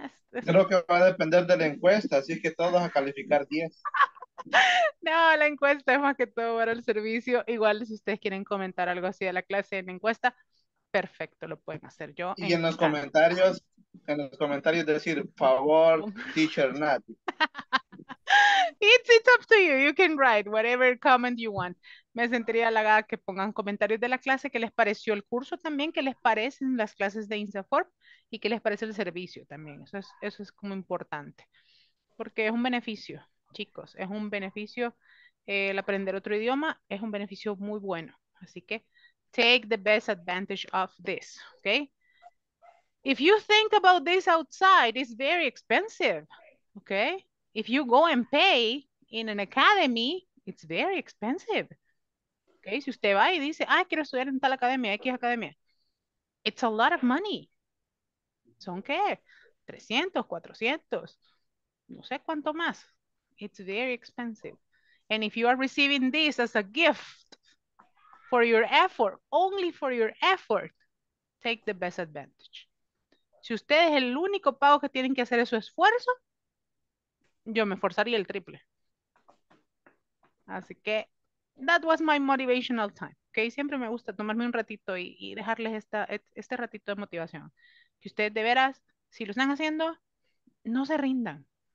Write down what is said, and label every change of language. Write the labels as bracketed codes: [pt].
[es] Creo que va a depender de la encuesta, así que todos a calificar 10. No, la encuesta es más que todo para el servicio. Igual, si ustedes quieren comentar algo así de la clase en la encuesta, perfecto, lo pueden hacer yo. Y en los comentarios, decir, favor, teacher Nat. [en] It's up to you, you can write whatever comment you want. [es] Me sentiría halagada que pongan comentarios de la clase, que les pareció el curso también, que les parecen las clases de InstaForm y que les parece el servicio también. Eso es como importante, porque es un beneficio, chicos, es un beneficio. El aprender otro idioma es un beneficio muy bueno, así que [en] take the best advantage of this, okay? If you think about this outside, it's very expensive, okay? If you go and pay in an academy, it's very expensive. [es] Okay, si usted va y dice, quiero estudiar en tal academia, X academia. [en] It's a lot of money. [es] ¿Son qué? 300, 400, no sé cuánto más. [en] It's very expensive. And if you are receiving this as a gift for your effort, only for your effort, take the best advantage. [es] Si usted es el único pago que tienen que hacer es su esfuerzo, yo me esforzaría el triple. Así que, [en] that was my motivational time. Okay? [es] Siempre me gusta tomarme un ratito y dejarles este ratito de motivación. Que ustedes de veras, si lo están haciendo, no se rindan.